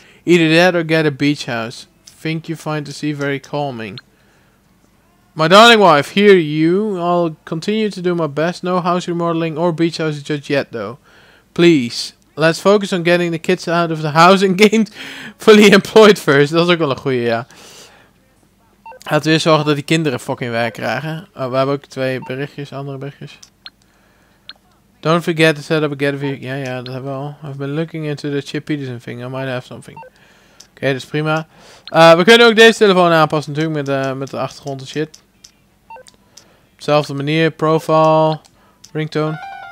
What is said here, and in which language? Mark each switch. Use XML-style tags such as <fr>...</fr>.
<en>Either that or get a beach house. Think you find the sea very calming. My darling wife, hear you, I'll continue to do my best, no house remodeling or beach house just yet though. Please. Let's focus on getting the kids out of the house and gained fully employed first.</en> <nl>Dat is ook wel een goeie, ja. Laten we zorgen dat die kinderen fucking werk krijgen. Oh, we hebben ook twee berichtjes, andere berichtjes.</nl> <en>Don't forget to set up a getaway.</en> <nl>Ja, ja, dat hebben we al.</nl> <en>I've been looking into the Chip Peterson thing. I might have something.</en> <nl>Oké, dat is prima. We kunnen ook deze telefoon aanpassen natuurlijk met de achtergrond en shit. Op dezelfde manier, profile, ringtone.</nl>